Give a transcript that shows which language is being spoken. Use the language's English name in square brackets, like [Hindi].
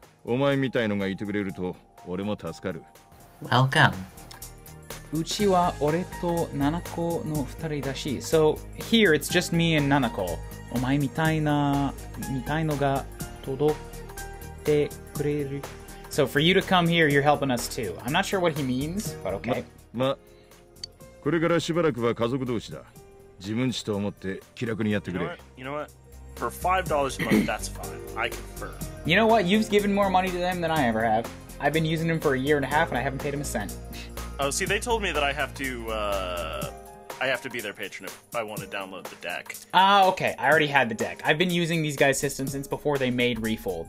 [Japanese] お前みたいのがいてくれると俺も助かる。Welcome。うちは俺とナナコの二人だし。 [English] So here it's just me and Nanako. [Japanese] お前みたいのが届いてくれる。 [English] So for you to come here, you're helping us too. I'm not sure what he means, but okay. [Japanese] まあ、これからしばらくは家族同士だ。自分ちと思って気楽にやってくれ。 [English] You know what? For $5 a month, that's fine. I confirm. You know what? You've given more money to them than I ever have. I've been using them for a year and a half, and I haven't paid them a cent. Oh, see, they told me that I have to be their patron if I want to download the deck. Ah, okay. I already had the deck. I've been using these guys' systems since before they made Refold.